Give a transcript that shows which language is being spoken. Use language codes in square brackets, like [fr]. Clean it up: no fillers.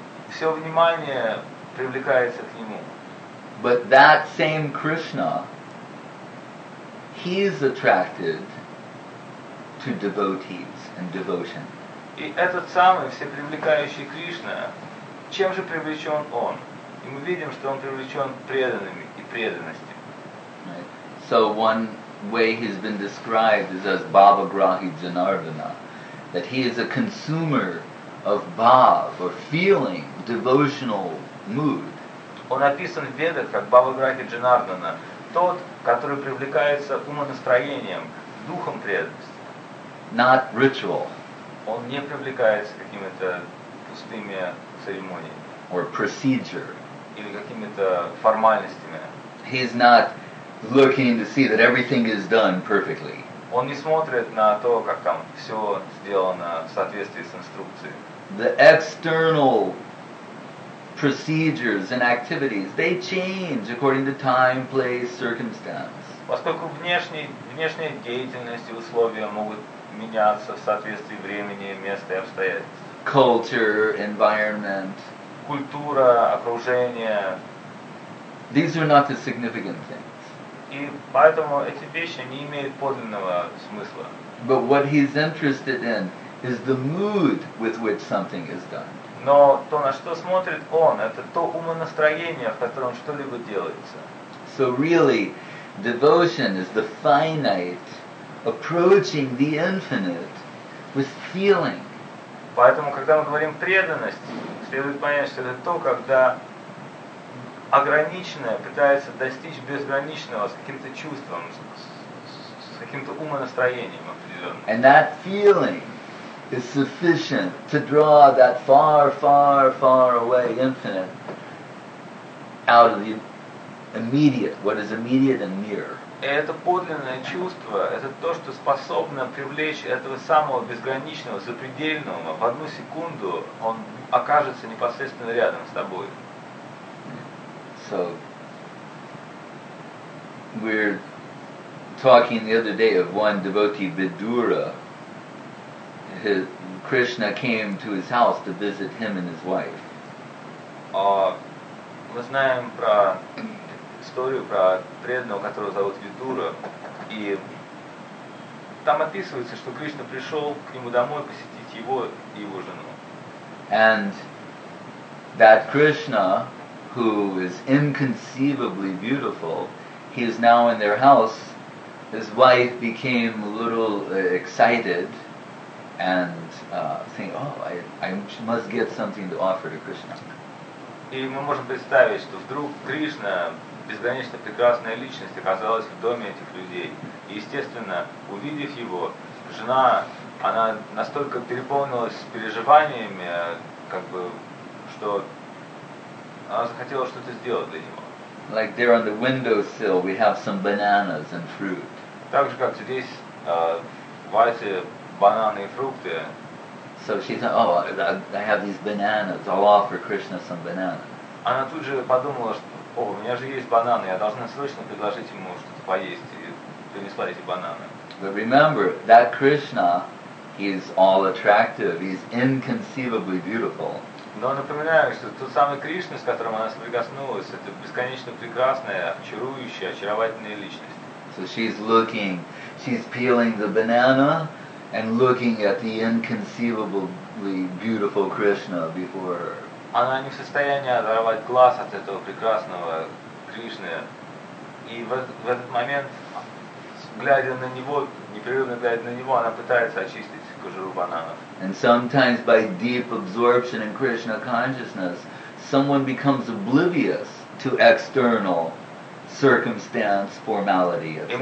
[ru] Все внимание привлекается к нему. [en] But that same Krishna, he is attracted to devotees and devotion. [ru] И этот самый всепривлекающий Кришна, чем же привлечен он? И мы видим, что он привлечен преданными и преданностью. [en] Right. So one way he's been described is as Bhava Grahi Janardana, that he is a consumer of bhava, or feeling, devotional mood. [ru] Он описан в Ведах как Бхава Грахи Джанардана, тот, который привлекается умонастроением, духом преданности. [en] Not ritual. [ru] он не привлекается какими-то пустыми церемониями. [en] Or procedure. [ru] Или какими-то формальностями. [en] He's not looking to see that everything is done perfectly. [ru] Он не смотрит на то, как там все сделано в соответствии с инструкцией. [en] The external procedures and activities, they change according to time, place, circumstance. [ru] Поскольку внешняя деятельность и условия могут меняться в соответствии времени, места и обстоятельств. [en] Culture, environment. [ru] Культура, окружение. [en] These are not the significant things. [ru] И поэтому эти вещи не имеют подлинного смысла. [en] But what he's interested in is the mood with which something is done. [ru] Но то, на что смотрит он, это то умонастроение, в котором что-либо делается. [en] So really, devotion is the finite approaching the infinite with feeling. [ru] Поэтому, когда мы говорим преданность, следует понять, что это то, когда ограниченное пытается достичь безграничного с каким-то чувством, с каким-то умонастроением определенным. [en] And that feeling is sufficient to draw that far, far, far away infinite out of the immediate, what is immediate and near. [ru] Это подлинное чувство, это то, что способно привлечь этого самого безграничного, запредельного. В одну секунду он окажется непосредственно рядом с тобой. [en] So, we're talking the other day of one devotee, Vidura. Krishna came to his house to visit him and his wife. [ru] Мы знаем про историю про преданного, которого зовут Видура, и там описывается, что Кришна пришел к нему домой посетить его и его жену. [en] And that Krishna, who is inconceivably beautiful, he is now in their house. His wife became a little excited. And think, I must get something to offer to Krishna. [ru] И мы можем представить, что вдруг Кришна, безгранично прекрасная личность, оказалась в доме этих людей. И естественно, увидев его, жена, она настолько переполнилась переживаниями, как бы, что она захотела что-то сделать для него. [en] Like there on the windowsill, we have some bananas and fruit. [ru] Так же как здесь в вазе. Бананы и фрукты. [en] So she thought, I have these bananas. I'll offer Krishna some bananas. [ru] Она тут же подумала, что, у меня же есть бананы, я должна срочно предложить ему что-то поесть, и принесла эти бананы. [en] But remember that Krishna, he is all attractive. He's inconceivably beautiful. [ru] Но напоминаю, что тот самый Кришна, с которым она соприкоснулась, это бесконечно прекрасная, очарующая, очаровательная личность. [en] So she's looking, she's peeling the banana. And looking at the inconceivably beautiful Krishna before her. [ru] Она не в состоянии оторвать глаз от этого прекрасного Кришны. И в этот момент, глядя на него, непрерывно глядя на него, она пытается очистить кожуру бананов. [en] And sometimes by deep absorption in Krishna consciousness, someone becomes oblivious to external circumstance, формality, etc.